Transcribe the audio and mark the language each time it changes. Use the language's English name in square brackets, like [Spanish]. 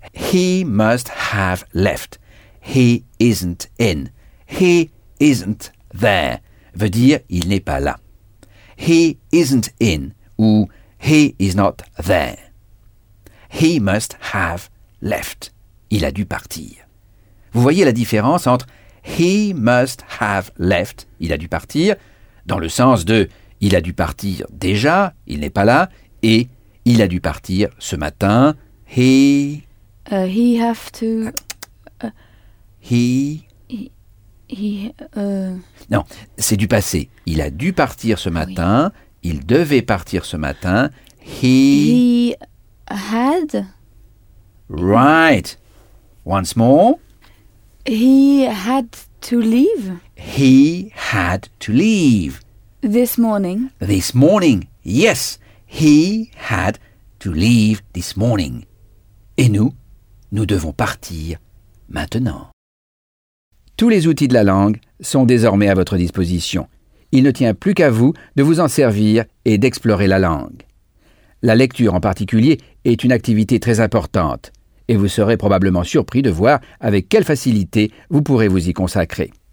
[English] « He must have left ».« He isn't in ».« He isn't there ». [French] Veut dire « il n'est pas là ».« [English] He isn't in [French] » ou « [English] he is not there ».« He must have left [French] ». Il a dû partir. Vous voyez la différence entre « [English] he must have left [French] », il a dû partir, dans le sens de « il a dû partir déjà, il n'est pas là » et « il a dû partir ce matin, he... [English] » He have to... He... He, [French] Non, c'est du passé. Il a dû partir ce matin. Oui. Il devait partir ce matin. [English] He had. Right. Once more. He had to leave. He had to leave. This morning. This morning. Yes. He had to leave this morning. [French] Et nous devons partir maintenant. Tous les outils de la langue sont désormais à votre disposition. Il ne tient plus qu'à vous de vous en servir et d'explorer la langue. La lecture en particulier est une activité très importante et vous serez probablement surpris de voir avec quelle facilité vous pourrez vous y consacrer.